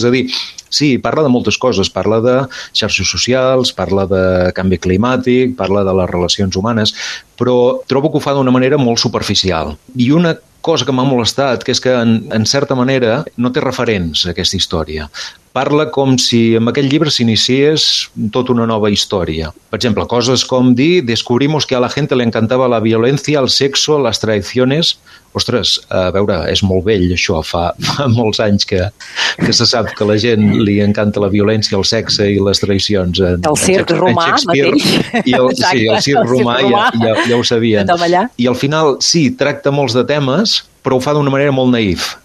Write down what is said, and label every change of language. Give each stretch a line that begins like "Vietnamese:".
Catalan: És a dir, sí, parla de moltes coses. Parla de xarxes socials, parla de canvi climàtic, parla de les relacions humanes, però trobo que ho fa d'una manera molt superficial. I una cosa que m'ha molestat, que és que, en certa manera, no té referents aquesta història. Parla com si amb aquest llibre s'iniciés tota una nova història. Per exemple, coses com dir
Spanish: descubrimos que a la gente le encantaba la violencia, el sexo, las traiciones.
Catalan: Ostres, a veure, és molt vell això, fa molts anys que se sap que la gent li encanta la violència, el sexe i les traïcions. El circ romà mateix. Sí, el circ romà ja ho sabien. I al final, sí, tracta molts de temes, però ho fa d'una manera molt naïf.